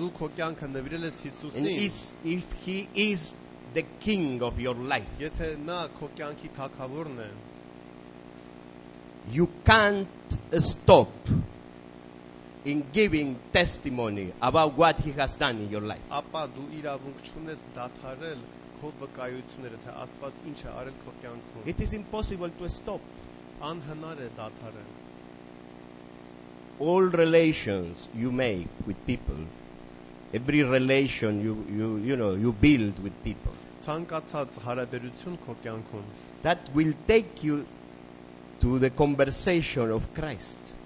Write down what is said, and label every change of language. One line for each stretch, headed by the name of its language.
English: if He is the King of your life, you can't stop in giving testimony about what He has done in your life.
Armenian: Ապա դու իրավունք ունես դադարել քո վկայությունները, թե Աստված ինչ է արել քո կյանքում.
English: It is impossible to stop.
Armenian: Անհնար է դադարել.
English: All relations you make with people, every relation you build with people,
Armenian: ցանկացած հարաբերություն քո կյանքում,
English: that will take you to the conversation of Christ.